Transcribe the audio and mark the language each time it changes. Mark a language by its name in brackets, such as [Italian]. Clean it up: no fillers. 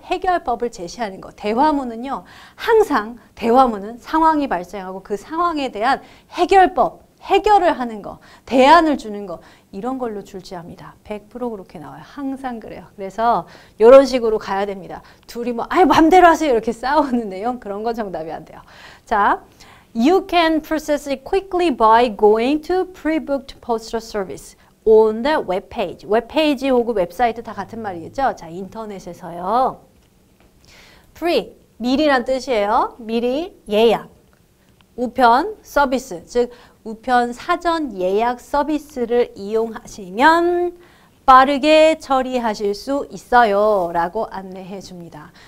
[Korean] 해결법을 제시하는 거. 대화문은요. 항상 대화문은 상황이 발생하고 그 상황에 대한 해결법, 해결을 하는 거, 대안을 주는 거 이런 걸로 출제합니다. 100% 그렇게 나와요. 항상 그래요. 그래서 이런 식으로 가야 됩니다. 둘이 뭐 아이 맘대로 하세요 이렇게 싸우는 내용 그런 건 정답이 안 돼요. [English] 자, You can process it quickly by going to pre-booked postal service on the webpage. [Korean] 웹페이지 혹은 웹사이트 다 같은 말이겠죠? 자, 인터넷에서요. pre, 미리란 뜻이에요. 미리 예약. 우편 서비스, 즉 우편 사전 예약 서비스를 이용하시면 빠르게 처리하실 수 있어요 라고 안내해 줍니다.